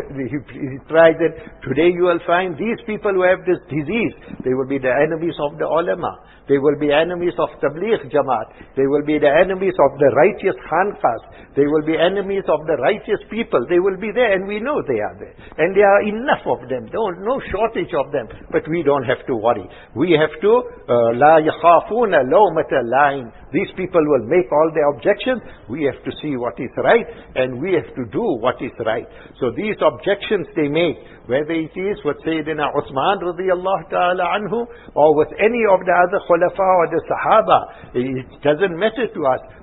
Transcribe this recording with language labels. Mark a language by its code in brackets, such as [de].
[en] he tried that today you will find these people who have this disease, they will be the enemies of the ulama. They will be enemies of Tabligh Jamaat. They will be the enemies of the righteous Hanfas. They will be enemies of the righteous people. They will be there, and we know they are there. And there are enough of them. No shortage of them. But we don't have to worry. We have to [ar] لا يخافون لومة لائم. [en] These people will make all their objections. We have to see what is right, and we have to do what is right. So these objections they make, whether it is with Sayyidina Uthman radiallahu ta'ala anhu, or with any of the other Khulafa or the Sahaba, it doesn't matter to us.